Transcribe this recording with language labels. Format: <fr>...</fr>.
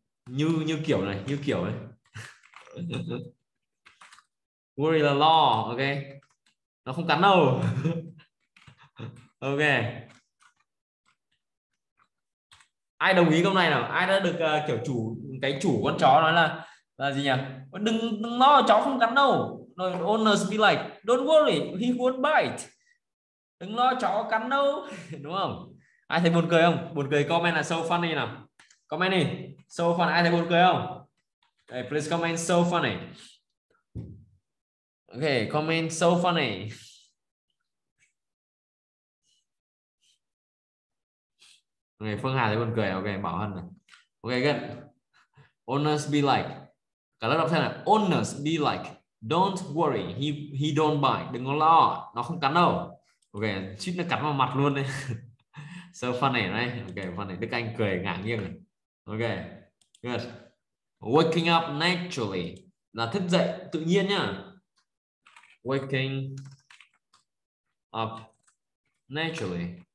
<vi>như kiểu này worry the law, ok, nó không cắn đâu. Ok, ai đồng ý câu này nào? Ai đã được kiểu chủ con chó nói là gì nhỉ? Đừng lo, chó không cắn đâu.</vi> <en>Rồi owners be like, don't worry, he won't bite.</en> <vi>Đừng lo, chó cắn đâu. Đúng không? Ai thấy buồn cười không? Buồn cười comment là so funny nào. Comment đi, so funny. Ai thấy buồn cười không?</vi> <en>Hey, please comment so funny.</en> <vi>Ok, comment so funny. Ok, Phương Hà thấy buồn cười. Ok, Bảo Hân này. Ok, good. Owners be like, cả lớp đọc xem này.</vi> <en>Owners be like, don't worry, he don't bite.</en> <vi>Đừng có lo, nó không cắn đâu. Ok, suýt nó cắn vào mặt luôn đấy.</vi> <en>So funny, right? Ok, funny.</en> <vi>Đức Anh cười ngả nghiêng. Ok, good.</vi> <en>Waking up naturally</en> <vi>là thức dậy tự nhiên nhá.</vi> <en>Waking up naturally.</en>